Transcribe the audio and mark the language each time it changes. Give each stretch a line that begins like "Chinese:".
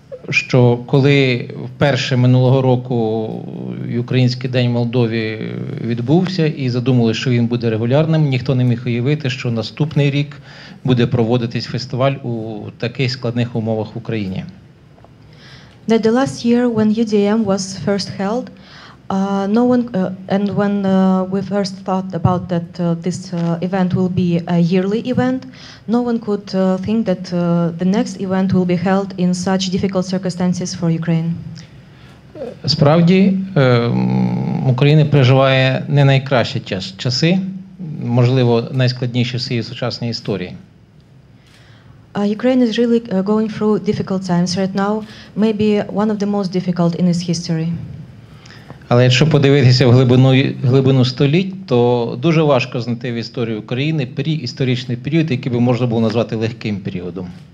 Ukrainian: що коли вперше минулого року Український день в Молдові відбувся і задумали, що він буде регулярним, ніхто не міг уявити, що наступний рік буде проводитись фестиваль у таких складних умовах в Україні.
English: That the last year when UDM was first held, we first thought about that this event will be a yearly event, no one could think that the next event will be held in such difficult circumstances for Ukraine.
Ukrainian: Справді, Україна переживає не найкращі часи, можливо, найскладніші в своїй сучасній історії.
English: Ukraine is really going through difficult times right now, maybe one of the most difficult in its history.
Ukrainian: Але якщо подивитися в глибину століть, то дуже важко знайти в історії України історичний період, який би можна було назвати легким періодом.